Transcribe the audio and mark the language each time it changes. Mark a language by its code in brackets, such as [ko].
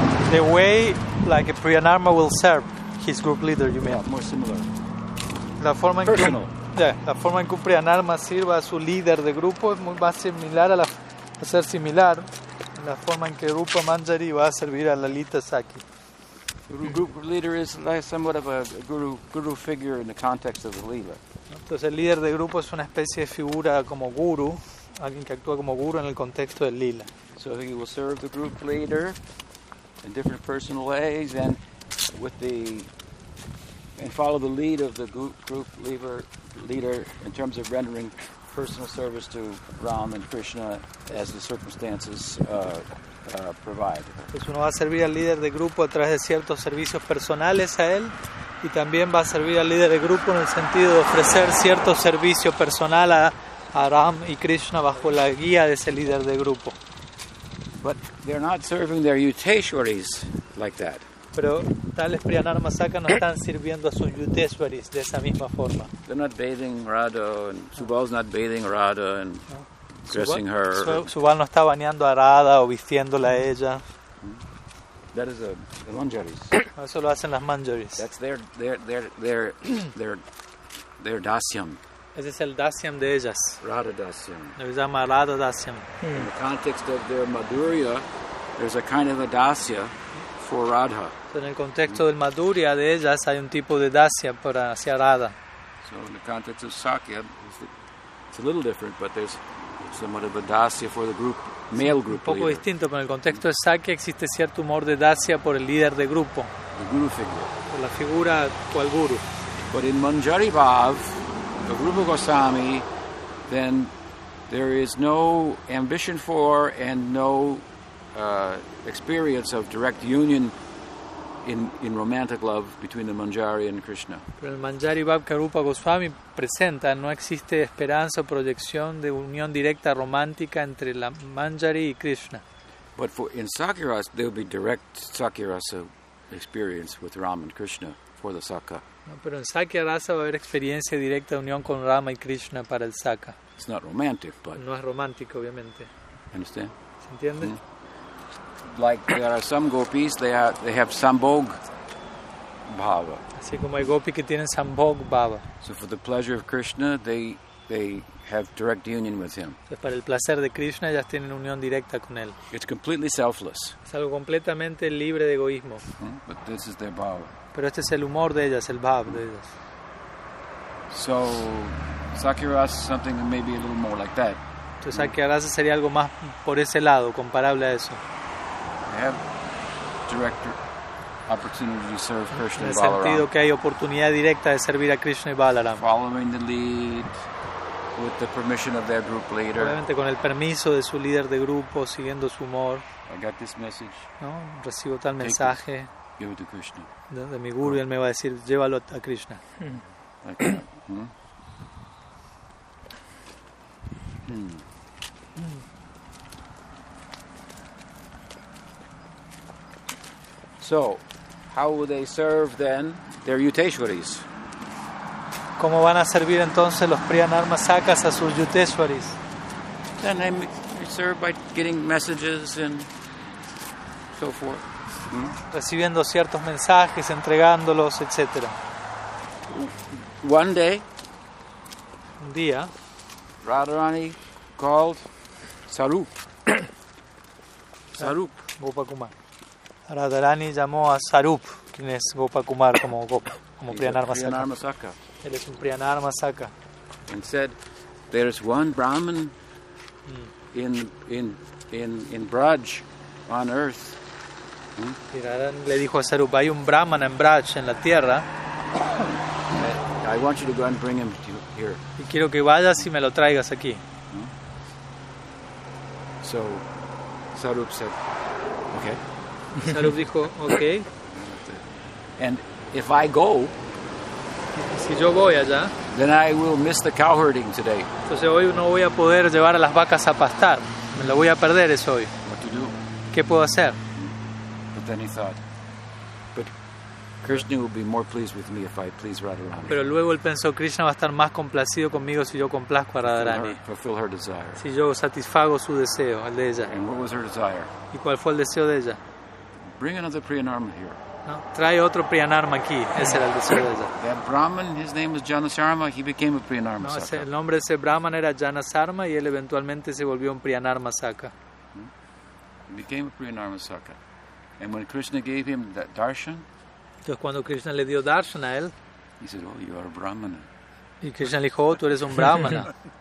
[en] The way like a Priyanarma will serve his group leader, you mean? Yeah, more similar. [es] La forma personal. La forma en que Priyanarma sirva a su líder de grupo es muy más similar a la a ser similar. La forma en que Rupa Manjari va a servir a Lalita Sakhi. [en] Group leader is like somewhat of a guru figure in the context of the lila. [es] Entonces el líder de grupo es una especie de figura como guru, alguien que actúa como guru en el contexto del lila. [en] So he will serve the group leader in different personal ways and with the and follow the lead of the group leader in terms of rendering personal service to Ram and Krishna as the circumstances provide. [es] Entonces uno va a servir al líder de grupo a través de ciertos servicios personales a él y también va a servir al líder de grupo en el sentido de ofrecer cierto servicio personal a Ram y Krishna bajo la guía de ese líder de grupo. [en] But they're not serving their Yuteswaris like that. [es] Pero tales Priyanarma-sakha no están sirviendo a sus Yuteswaris de esa misma forma. [en] They're not bathing Radha, and Subal's not bathing Radha and dressing her. [es] Subal no está bañando a Radha o vistiéndola a ella. [en] That is the Manjaris. [es] Eso lo hacen las Manjaris. [en] That's their dasyam. [es] Ese es el dasyam de ellas. [en] Radha dasyam. [es] Lo llama Radha dasyam. [en] In the context of their madhurya, there's a kind of a dasya for Radha. [es] En el contexto del madhurya de ellas hay un tipo de dasya para hacia Radha. [en] So in the context of Sakya, it's a little different, but there's somewhat of a dasya for the group. Male group [es] un poco [en] leader. [es] Distinto, pero en el contexto de Sakya existe cierto humor de dasya por el líder de grupo. [en] The guru figure. [es] Por la figura cual guru. [en] But in Manjari Bhav, the Rupa Goswami, then there is no ambition for and no experience of direct union in romantic love between the Manjari and Krishna. [es] Pero en el Manjari Bhav que Rupa Goswami presenta no existe esperanza o proyección de unión directa romántica entre la Manjari y Krishna. [en] But for in Sakyaras there will be direct Sakyarasa experience with Ram and Krishna for the Sakha. [es] No, pero en Sakyarasa va a haber experiencia directa de unión con Rama y Krishna para el Sakha. [en] It's not romantic, but [es] no es romántico, obviamente. [en] Understand? [es] ¿Se entiende? Mm-hmm. [en] Like there are some gopis, they have sambhog bhava. [es] Así como hay gopis que tienen sambhog bhava. [en] So for the pleasure of Krishna, they have direct union with him. [es] Entonces, para el placer de Krishna, ellas tienen unión directa con él. [en] It's completely selfless. [es] Es algo completamente libre de egoísmo. [en] But this is their bhava. [es] Pero este es el humor de ellas, el bhava de ellas. [en] So Sakyaras is something maybe a little more like that. [es] Entonces Sakyaras sería algo más por ese lado, comparable a eso. [en] Have direct opportunity to serve Krishna and [es] Balaram. En el sentido que hay oportunidad directa de servir a Krishna y Balaram. [en] Following the lead with the permission of their group leader. [es] Obviamente con el permiso de su líder de grupo, siguiendo su humor. [en] I got this message. [es] No, recibo tal mensaje. [en] Give it to Krishna. [es] De mi guru, él me va a decir, llévalo a Krishna. [en] So, how will they serve then their Yuteswaris? [es] ¿Cómo van a servir entonces los Priyanarma-sakhas a sus yuteswaris? [en] Then I serve by getting messages and so forth. Mm-hmm. [es] Recibiendo ciertos mensajes, entregándolos, etc. [en] One day, [es] un día, [en] Radharani called Sarup. Sarup. Gopakumar. [es] Radharani llamó a Sarup, quien es Gopakumar como Gopa, como Priyanarma-sakha. Él es un Priyanarma-sakha. [en] And said, there's one Brahmin in Braj on earth. [es] Y Radharani le dijo a Sarup, hay un Brahman en Braj, en la tierra. [en] I want you to go and bring him to here. [es] Y quiero que vayas y me lo traigas aquí. [en] So, Sarup said, okay. [es] Sarup dijo, okay. [en] And if I go, [es] si yo voy allá, [en] then I will miss the cow herding today. [es] Entonces hoy no voy a poder llevar a las vacas a pastar. Me lo voy a perder eso hoy. [en] What to do? [es] ¿Qué puedo hacer? [en] But then he thought, but Krishna will be more pleased with me if I please Radharani. [es] Pero luego él pensó, Krishna va a estar más complacido conmigo si yo complazco a Radharani. [en] Fulfill her desire. [es] Si yo satisfago su deseo, el de ella. [en] And what was her desire? [es] ¿Y cuál fue el deseo de ella? [en] Bring another Priyanarma here. [es] No, trae otro Priyanarma aquí. Ese era el deseo de ella. [en] That Brahman, his name was Janasarma, he became a Priyanarma Saka. [es] No, el nombre de ese Brahman era Janasarma y él eventualmente se volvió un Priyanarma Saka. [en] He became a Priyanarma Saka. And when Krishna gave him that darshan, [es] entonces cuando Krishna le dio darshan a él, [en] he said, oh, you are a Brahmana. [es] Y Krishna le dijo, oh, tú eres un Brahmana.